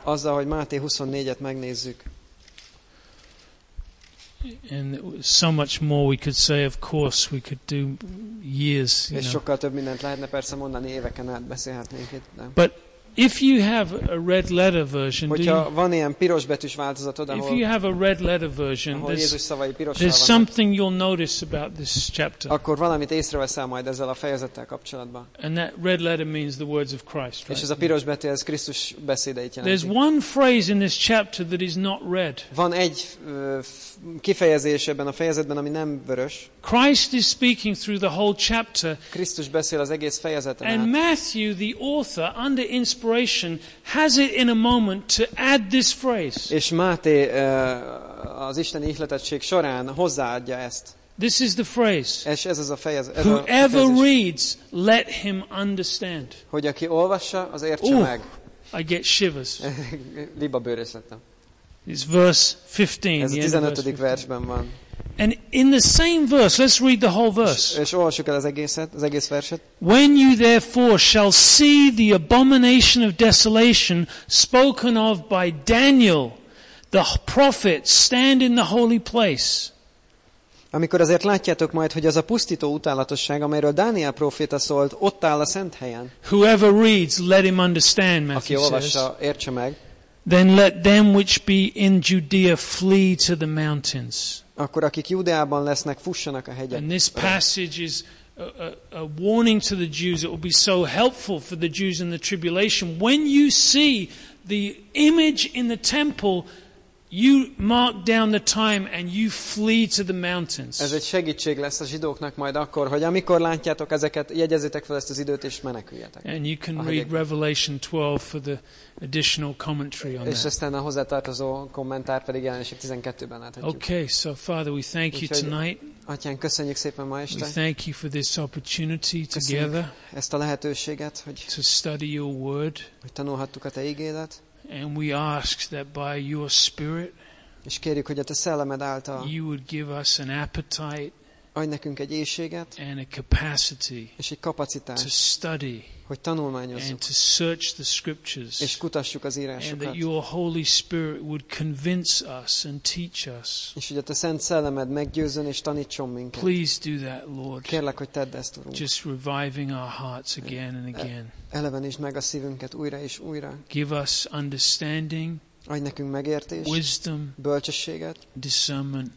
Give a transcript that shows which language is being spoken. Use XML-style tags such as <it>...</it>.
<hu>Azzal, hogy Máté 24-et megnézzük.</hu> <en>And so much more we could say, of course, we could do years. You</en> <hu>és sokkal több mindent lehetne persze mondani, éveken át beszélhetnénk itt.</hu> <en>But if you have a red letter version,</en> <hu>van ilyen piros betűs változatod,</hu> <en>if you have a red letter version, there's something you'll notice about this chapter.</en> <hu>Akkor valamit észreveszel majd ezzel a fejezettel kapcsolatban.</hu> <en>And that red letter means the words of Christ, right?</en> <hu>És ez a piros betű, ez Krisztus beszédeit jelenti.</hu> <en>There's one phrase in this chapter that is not red.</en> <hu>Van egy kifejezés ebben a fejezetben, ami nem vörös.</hu> <en>Christ is speaking through the whole chapter.</en> <hu>Krisztus beszél az egész fejezeten.</hu> <en>And Matthew, the author, under inspiration, has it in a moment to add this phrase.</en> <hu>És Máté az isteni ihletettség során hozzáadja ezt.</hu> <en>This is the phrase.</en> <hu>És ez az a fejezet.</hu> <en>Whoever reads, let him understand.</en> <hu>Hogy aki olvassa, az értse meg.</hu> <en>I get shivers.</en> <hu>Liba bőrös lettem.</hu> <en>It's verse 15.</en> <hu>Ez a 15. versben van.</hu> <en>And in the same verse, let's read the whole verse.</en> <hu>És olvassuk el az egész verset.</hu> <en>When you therefore shall see the abomination of desolation spoken of by Daniel, the prophet, stand in the holy place.</en> <hu>Amikor azért látjátok majd, hogy az a pusztító utálatosság, amelyről Dániel proféta szólt, ott áll a szent helyen.</hu> <en>Whoever reads, let him understand, Matthew says.</en> <hu>Aki olvassa, értse meg.</hu> <en>Then let them which be in Judea flee to the mountains.</en> <hu>Akkor akik Júdeában lesznek, fussanak a hegyekre.</hu> <en>And this passage is a warning to the Jews. It will be so helpful for the Jews in the tribulation. When you see the image in the temple, you mark down the time and you flee to the mountains.</en> <hu>Ez egy segítség lesz a zsidóknak majd akkor, hogy amikor látjátok ezeket, jegyezzétek fel ezt az időt és meneküljetek.</hu> <en>And you can read Revelation 12 for the additional commentary on that.</en> <hu>És aztán a hozzátartozó kommentár pedig Jelenések 12-ben láthatjuk.</hu> <en>Okay, so Father, we thank you tonight.</en> <hu>Atyán, köszönjük szépen ma este.</hu> <en>We thank you for this opportunity together.</en> <hu>Ezt a lehetőséget, hogy</hu> <en>to study your word.</en> <hu>Hogy tanulhattuk a te ígédet.</hu> <en>And we ask that by your spirit,</en> <hu>és kérjük, hogy a te szellemed által,</hu> <en>you would give us an appetite,</en> <hu>adj nekünk egy éjséget,</hu> <en>and a capacity,</en> <hu>és egy kapacitást,</hu> <en>to study,</en> <hu>hogy tanulmányozzuk,</hu> <en>and to search the scriptures,</en> <hu>és kutassuk az írásokat,</hu> <en>and that your Holy Spirit would convince us and teach us,</en> <hu>és hogy a te szent szellemed meggyőzön és tanítson minket.</hu> <en>Please do that, Lord.</en> <hu>Kérlek, hogy tedd ezt, Urunk.</hu> <en>Just reviving our hearts again and again.</en> <hu>Elevenítsd meg a szívünket újra és újra.</hu> <en>Give us understanding,</en> <hu>adj nekünk megértést,</hu> <en>wisdom,</en> <hu>bölcsességet,</hu> <en>discernment,</en>